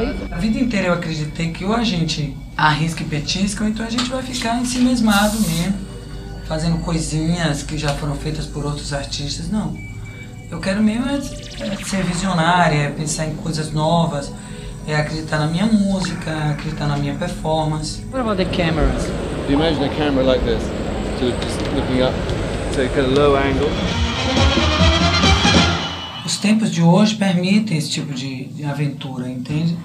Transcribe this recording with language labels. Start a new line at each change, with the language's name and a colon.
Portuguese: A vida inteira eu acreditei que ou a gente arrisca e petisca, ou então a gente vai ficar ensimesmado mesmo, fazendo coisinhas que já foram feitas por outros artistas. Não. Eu quero mesmo ser visionária, pensar em coisas novas. É acreditar na minha música, acreditar na minha performance.
English: What about the cameras? Do you imagine a camera like this, sort of just looking up, so kind of low angle?
Portuguese: Os tempos de hoje permitem esse tipo de aventura, entende?